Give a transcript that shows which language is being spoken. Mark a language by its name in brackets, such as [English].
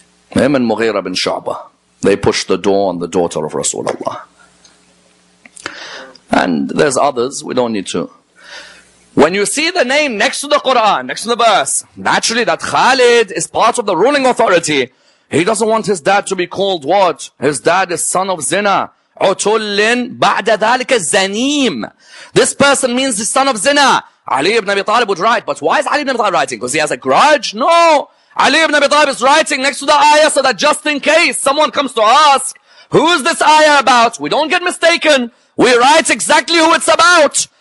[English] Him and Mughira bin Sha'bah. They pushed the door on the daughter of Rasulullah. And there's others, we don't need to. When you see the name next to the Quran, next to the verse, naturally that Khalid is part of the ruling authority. He doesn't want his dad to be called what? His dad is son of zina. [Arabic] Utullin ba'da dhalika zanim. [English] This person means the son of zina. Ali ibn Abi Talib would write, but why is Ali ibn Abi Talib writing? Because he has a grudge? No! Ali ibn Abi Talib is writing next to the ayah so that just in case someone comes to ask, who is this ayah about? We don't get mistaken. We write exactly who it's about.